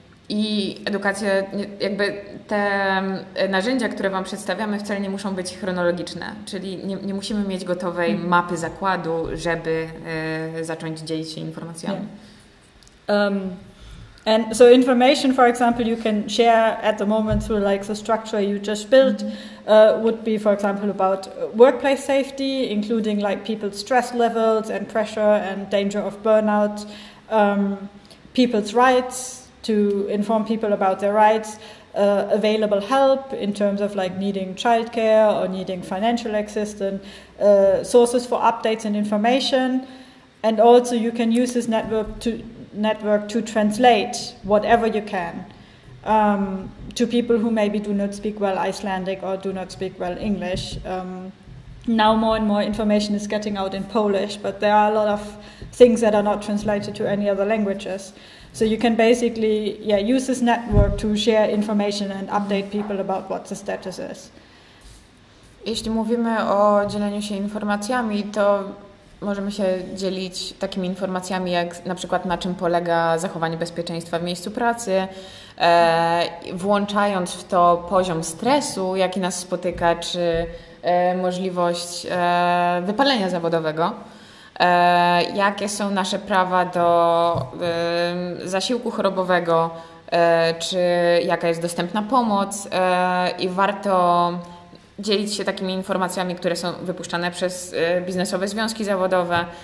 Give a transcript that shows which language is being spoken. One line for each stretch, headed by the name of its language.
Polish: I edukacja, jakby te narzędzia, które Wam przedstawiamy, wcale nie muszą być chronologiczne, czyli nie musimy mieć gotowej mapy zakładu, żeby zacząć dzielić się informacjami.
English: And so information, for example, you can share at the moment through like the structure you just built would be, for example, about workplace safety, including like people's stress levels and pressure and danger of burnout, people's rights to inform people about their rights, available help in terms of like needing childcare or needing financial assistance, sources for updates and information. And also you can use this network to translate whatever you can to people who maybe do not speak well Icelandic or do not speak well English. Now more and more information is getting out in Polish, but there are a lot of things that are not translated to any other languages. So you can basically use this network to share information and update people about what the status is.
Polish: Jeśli mówimy o dzieleniu się informacjami, to możemy się dzielić takimi informacjami, jak na przykład na czym polega zachowanie bezpieczeństwa w miejscu pracy, włączając w to poziom stresu, jaki nas spotyka, czy możliwość wypalenia zawodowego, jakie są nasze prawa do zasiłku chorobowego, czy jaka jest dostępna pomoc, i warto dzielić się takimi informacjami, które są wypuszczane przez biznesowe związki zawodowe.